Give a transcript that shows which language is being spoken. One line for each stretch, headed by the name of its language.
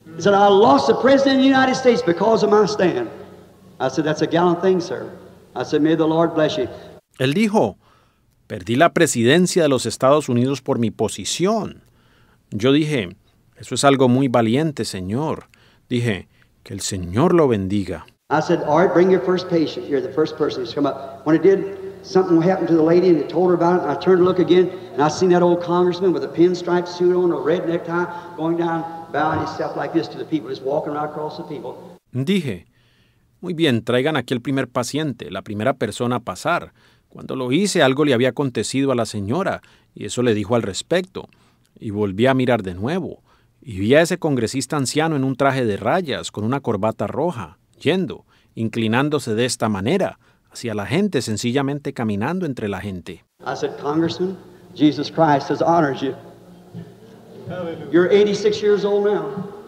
English: He said, I lost the president of the United States because of my stand. I said, that's a gallant thing, sir. I said, may the Lord bless you.
Spanish: Él dijo, perdí la presidencia de los Estados Unidos por mi posición. Yo dije, eso es algo muy valiente, señor. Dije, que el Señor lo bendiga.
English: I said, all right, bring your first patient. You're the first person who's come up. When it did, something happened to the lady and it told her about it. And I turned to look again and I seen that old congressman with a pinstripe suit on, a red necktie, going down, bowing himself like this to the people, just walking right across the people.
Spanish: Dije, muy bien, traigan aquí el primer paciente, la primera persona a pasar. Cuando lo hice, algo le había acontecido a la señora, y eso le dijo al respecto. Y volví a mirar de nuevo, y vi a ese congresista anciano en un traje de rayas, con una corbata roja, yendo, inclinándose de esta manera, hacia la gente, sencillamente caminando entre la gente.
English: I said, Congressman, Jesus Christ has honored you. You're 86 years old now.